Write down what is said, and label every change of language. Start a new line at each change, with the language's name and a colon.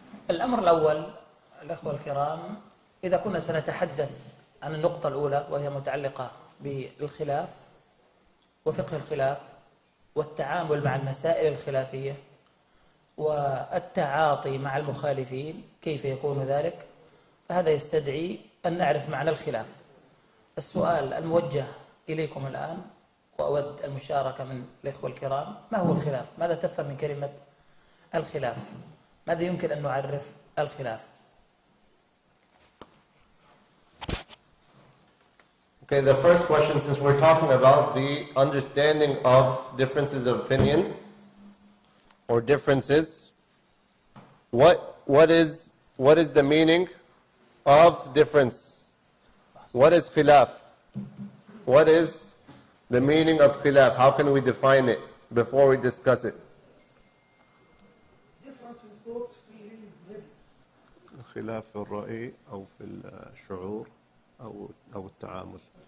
Arabic: الأمر الأول الأخوة الكرام، إذا كنا سنتحدث عن النقطة الأولى وهي متعلقة بالخلاف وفقه الخلاف والتعامل مع المسائل الخلافية والتعاطي مع المخالفين، كيف يكون ذلك؟ فهذا يستدعي أن نعرف معنى الخلاف. السؤال الموجه إليكم الآن وأود المشاركة من الأخوة الكرام، ما هو الخلاف؟ ماذا تفهم من كلمة الخلاف؟ ماذا يمكن أن نعرف الخلاف؟
English: Okay, the first question, since we're talking about the understanding of differences of opinion or differences, what is the meaning of difference? What is khilaf? What is the meaning of khilaf? How can we define it before we discuss it?
Arabic: خلاف في الرأي أو في الشعور أو التعامل.